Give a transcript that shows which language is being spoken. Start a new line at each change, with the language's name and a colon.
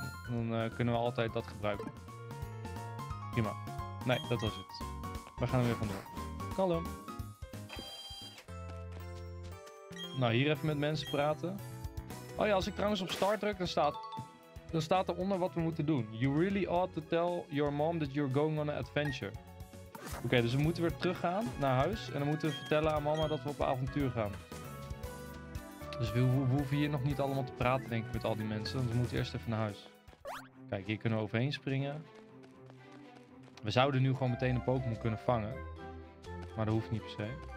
Dutch: Dan kunnen we altijd dat gebruiken. Prima. Nee, dat was het. We gaan er weer vandoor. Kalm. Nou, hier even met mensen praten. Oh ja, als ik trouwens op start druk, dan staat eronder wat we moeten doen.
English: You really ought to tell your mom that you're going on an adventure.
Dutch: Oké, dus we moeten weer teruggaan naar huis. En dan moeten we vertellen aan mama dat we op avontuur gaan. Dus we hoeven hier nog niet allemaal te praten, denk ik, met al die mensen. Want we moeten eerst even naar huis. Kijk, hier kunnen we overheen springen. We zouden nu gewoon meteen een Pokémon kunnen vangen. Maar dat hoeft niet per se.